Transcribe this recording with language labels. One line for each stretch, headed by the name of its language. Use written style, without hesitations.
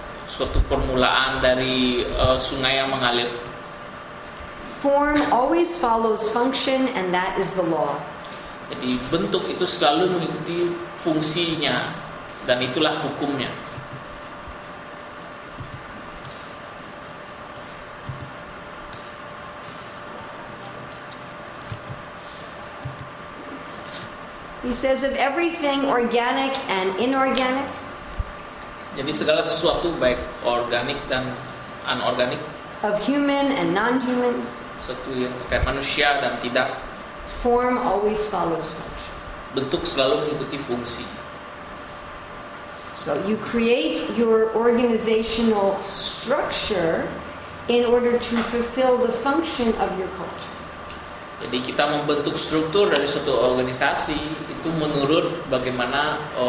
Indonesian: Suatu permulaan dari sungai yang mengalir.
English: Form always follows function, and that is the law.
Indonesian: Jadi bentuk itu selalu mengikuti fungsinya dan itulah hukumnya.
English: He says of everything organic and inorganic.
Indonesian: Jadi segala sesuatu baik organik dan anorganik.
English: Of human and non-human.
Indonesian: Sesuatu yang terkait manusia dan tidak.
English: Form always follows function.
Indonesian: Bentuk selalu mengikuti fungsi.
English: So you create your organizational structure in order to fulfill the function of your culture.
Indonesian: Jadi kita membentuk struktur dari suatu organisasi itu menurut bagaimana